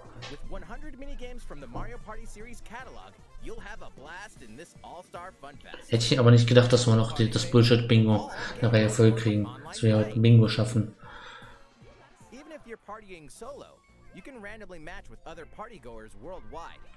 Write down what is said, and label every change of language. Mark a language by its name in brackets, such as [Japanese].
[English] With 100 minigames from the Mario Party Series catalog, you'll have a blast in this All-Star Fun Fest. [German] Hätte ich aber nicht gedacht, dass wir noch das Bullshit Bingo eine Reihe voll kriegen, dass wir heute Bingo schaffen. [English] Even if you're partying solo, you can randomly match with other partygoers worldwide.